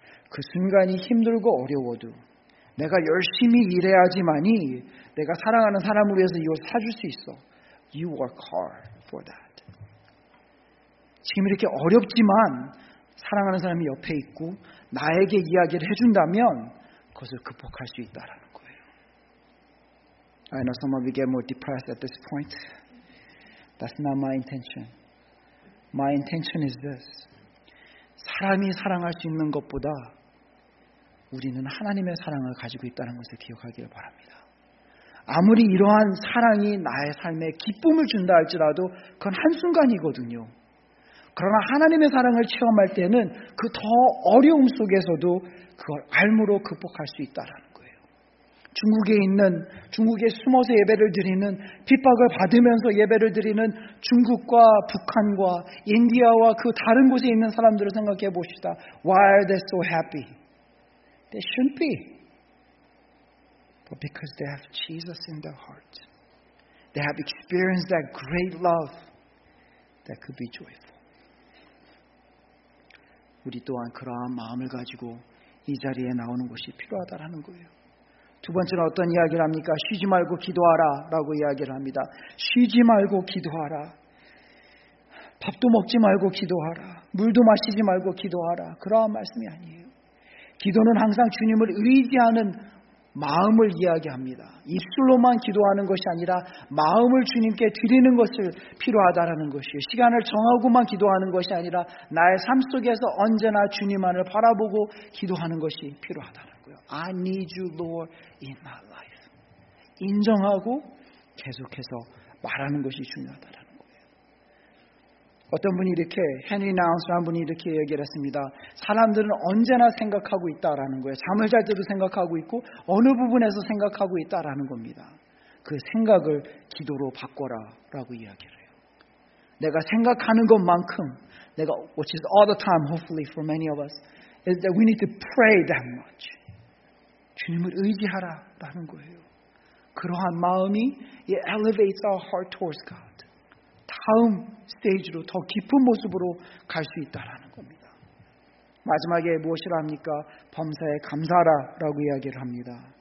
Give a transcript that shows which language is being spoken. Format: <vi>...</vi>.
<ko>그 순간이 힘들고 어려워도 내가 열심히 일해야지만이 내가 사랑하는 사람을 위해서 이걸 사줄 수 있어.</ko> <en>You work hard for that.</en> <ko>지금 이렇게 어렵지만 사랑하는 사람이 옆에 있고 나에게 이야기를 해준다면 그것을 극복할 수 있다라는 거예요.</ko> <en>I know some of you get more depressed at this point. That's not my intention. My intention is this.</en> <ko>사람이 사랑할 수 있는 것보다 우리는 하나님의 사랑을 가지고 있다는 것을 기억하기를 바랍니다. 아무리 이러한 사랑이 나의 삶에 기쁨을 준다 할지라도 그건 한순간이거든요. 그러나 하나님의 사랑을 체험할 때는 그 더 어려움 속에서도 그걸 알므로 극복할 수 있다는 중국에 있는 중국에 숨어서 예배를 드리는 핍박을 받으면서 예배를 드리는 중국과 북한과 인디아와 그 다른 곳에 있는 사람들을 생각해 봅시다.</ko> <en>Why are they so happy? They shouldn't be. But because they have Jesus in their heart. They have experienced that great love that could be joyful.</en> <ko>우리 또한 그러한 마음을 가지고 이 자리에 나오는 것이 필요하다라는 거예요. 두 번째는 어떤 이야기를 합니까? 쉬지 말고 기도하라 라고 이야기를 합니다. 쉬지 말고 기도하라. 밥도 먹지 말고 기도하라. 물도 마시지 말고 기도하라. 그러한 말씀이 아니에요. 기도는 항상 주님을 의지하는 마음을 이야기합니다. 입술로만 기도하는 것이 아니라 마음을 주님께 드리는 것을 필요하다라는 것이에요. 시간을 정하고만 기도하는 것이 아니라 나의 삶 속에서 언제나 주님만을 바라보고 기도하는 것이 필요하다는 거예요.</ko> <en>I need you, Lord, in my life.</en> <ko>인정하고 계속해서 말하는 것이 중요하다는 거예요. 어떤 분이 이렇게, 헨리 나운스라는 분이 이렇게 얘기를 했습니다. 사람들은 언제나 생각하고 있다라는 거예요. 잠을 잘 때도 생각하고 있고 어느 부분에서 생각하고 있다라는 겁니다. 그 생각을 기도로 바꿔라 라고 이야기를 해요. 내가 생각하는 것만큼 내가,</ko> <en>which is all the time, hopefully for many of us, is that we need to pray that much.</en> <ko>주님을 의지하라라는 거예요. 그러한 마음이</ko> <en>it elevates our heart towards God.</en> <ko>다음 스테이지로 더 깊은 모습으로 갈 수 있다라는 겁니다. 마지막에 무엇이라 합니까? 범사에 감사하라라고 이야기를 합니다.</ko>